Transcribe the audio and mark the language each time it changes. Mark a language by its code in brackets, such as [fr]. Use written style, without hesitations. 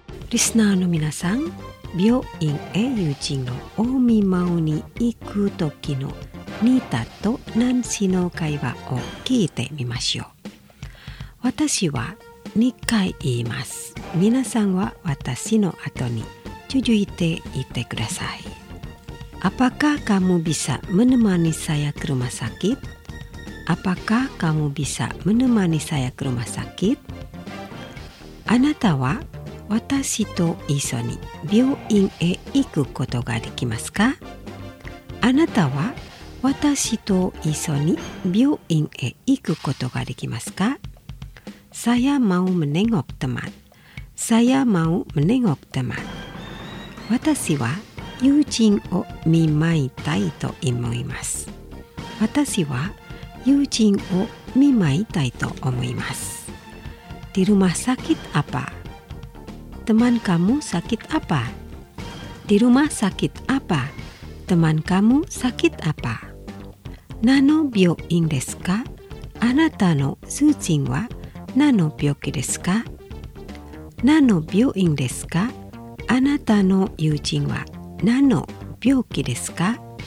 [ja] リスナーの皆さん、病院へ友人のお見舞いに行く時のニータとナンシーの会話を聞いてみましょう。私は2回言います。皆さんは私の後に続いて言ってください。 [id] Apakah kamu bisa menemani saya ke rumah sakit? Apakah kamu bisa menemani saya ke rumah sakit? [ja] あなたは私と一緒に病院へ行くことができますか？あなたは私と一緒に病院へ行くことができますか？ [id] Saya mau menengok teman. Saya mau menengok teman. [ja] 私は友人を見舞いたいと思います。私は友人を見舞いたいと思います。 [id] Di rumah sakit apa? Teman kamu sakit apa? Di rumah sakit apa? Teman kamu sakit apa? [ja] 何の病院ですか？あなたの主人は何の病気ですか？何の病院ですか？あなたの友人は何の病気ですか？